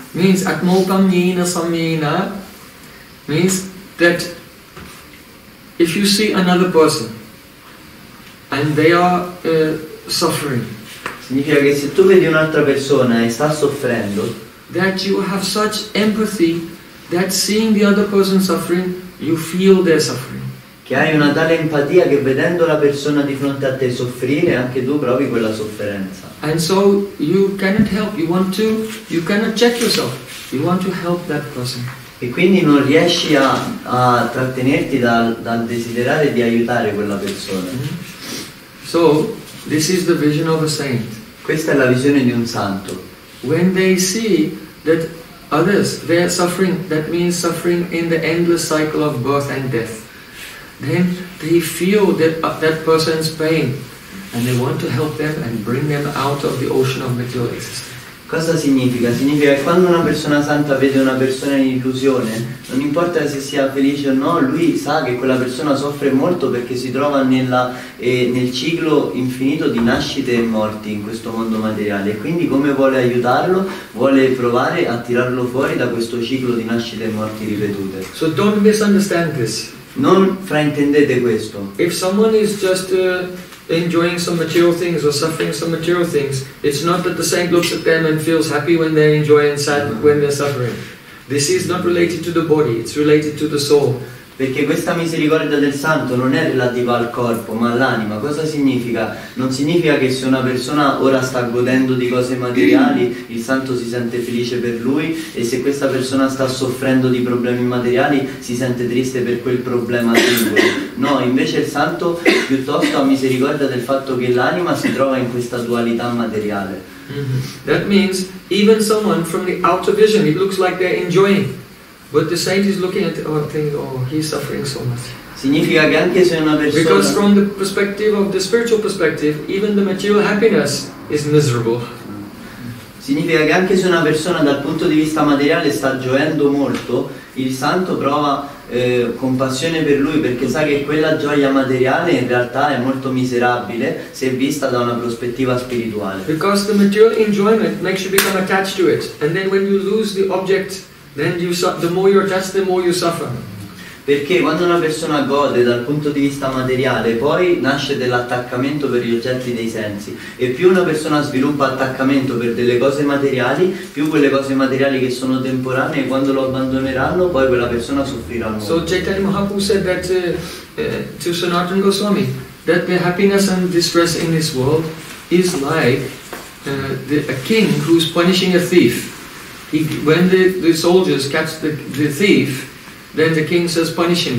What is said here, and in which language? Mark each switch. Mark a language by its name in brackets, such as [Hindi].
[English] means [Sanskrit] atmopam yena samyena, [English] means that if you see another person and they are suffering, [Italian] significa che se tu vedi un'altra persona e sta soffrendo, [English] that you have such empathy that seeing the other person suffering, you feel their suffering. [Italian] Che hai una tale empatia che vedendo la persona di fronte a te soffrire, anche tu provi quella sofferenza. [English] And so you cannot help, you cannot check yourself, you want to help that person. [Italian] E quindi non riesci a trattenerti dal desiderare di aiutare quella persona. [English] So, this is the vision of a saint. [Italian] Questa è la visione di un santo. [English] When they see that others, they are suffering, that means suffering in the endless cycle of birth and death. Then they feel that person's pain And they want to help them and bring them out of the ocean of material existence. [Italian] Cosa significa? Significa che quando una persona santa vede una persona in illusione, non importa se sia felice o no, lui sa che quella persona soffre molto perché si trova nel ciclo infinito di nascite e morti in questo mondo materiale. Quindi come vuole aiutarlo? Vuole provare a tirarlo fuori da questo ciclo di nascite e morti ripetute. [English] So don't misunderstand this. [Italian] Non fraintendete questo. [English] If someone is just enjoying some material things or suffering some material things, it's not that the saint looks at them and feels happy when they enjoy and sad when they're suffering. This is not related to the body, it's related to the soul. [Italian] Perché questa misericordia del santo non è relativa al corpo, ma all'anima. Cosa significa? Non significa che se una persona ora sta godendo di cose materiali, il santo si sente felice per lui, e se questa persona sta soffrendo di problemi materiali, si sente triste per quel problema singolo. No, invece il santo piuttosto ha misericordia del fatto che l'anima si trova in questa dualità materiale. [English] That means, even someone from the outer vision, it looks like they're enjoying. But the saint is looking at our thing, oh, he's suffering so much. [Italian] Significa che anche se una persona... [English] Because from the perspective of the spiritual perspective, even the material happiness is miserable. [Italian] Significa che anche se una persona dal punto di vista materiale sta gioendo molto, il santo prova compassione per lui perché sa che quella gioia materiale in realtà è molto miserabile se vista da una prospettiva spirituale. [English] Because the material enjoyment makes you become attached to it, and then when you lose the object, then you the more you're attached, the more you suffer. [Italian] Perché quando una persona gode dal punto di vista materiale, poi nasce dell'attaccamento per gli oggetti dei sensi. E più una persona sviluppa attaccamento per delle cose materiali, più quelle cose materiali che sono temporanee, quando lo abbandoneranno, poi quella persona soffrirà molto. [English] So Chaitanya Mahaprabhu said that to Sanatana Goswami, that the happiness and distress in this world is like a king who's punishing a thief. When the soldiers catch the thief, then the king says punish him.